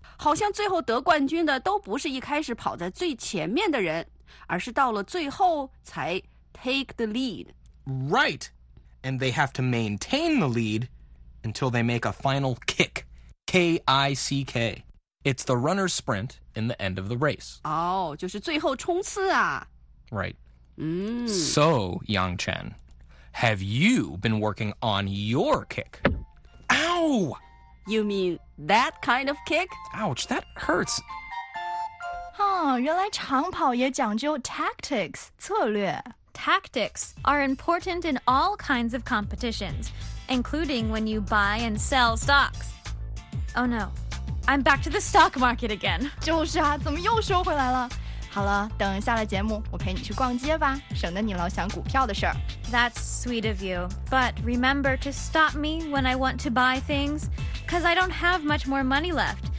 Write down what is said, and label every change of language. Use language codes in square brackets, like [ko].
[zh] 好像最后得冠军的都不是一开始跑在最前面的人，而是到了最后才 [en] take the lead. Right. And they have to maintain the lead until they make a final kick. K-I-C-K. It's the runner's sprint in the end of the race. [zh] 哦、oh, ，就是最后冲刺啊。 [en] Right.、 Mm. So, Yangchen, have you been working on your kick? Ow! You mean... That kind of kick? Ouch, that hurts. [zh] Huh, 原来长跑也讲究 tactics, 策略。 [en] Tactics are important in all kinds of competitions, including when you buy and sell stocks. Oh no, I'm back to the stock market again. [zh] 就是啊，怎么又收回来了？好了，等下了节目，我陪你去逛街吧，省得你老想股票的事儿。 [en] That's sweet of you, but remember to stop me when I want to buy things, because I don't have much more money left.